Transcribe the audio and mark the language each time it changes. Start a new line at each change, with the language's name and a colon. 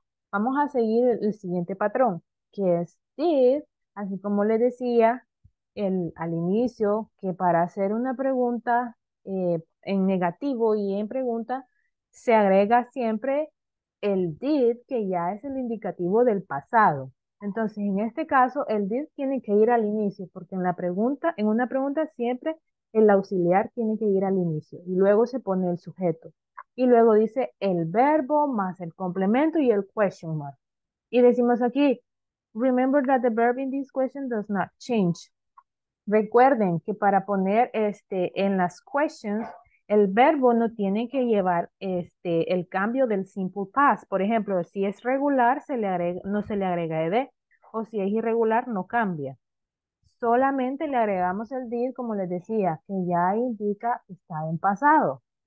Spanish: Vamos a seguir el siguiente patrón, que es did, así como les decía al inicio, que para hacer una pregunta en negativo y en pregunta, se agrega siempre el did, que ya es el indicativo del pasado. Entonces, en este caso, el did tiene que ir al inicio, porque en una pregunta siempre el auxiliar tiene que ir al inicio, y luego se pone el sujeto. Y luego dice el verbo más el complemento y el question mark. Y decimos aquí,
English: remember that the verb in this question does not change.
Spanish: Recuerden que para poner en las questions, el verbo no tiene que llevar el cambio del simple past. Por ejemplo, si es regular, no se le agrega ed. O si es irregular, no cambia. Solamente le agregamos el did, como les decía, que ya indica está en pasado.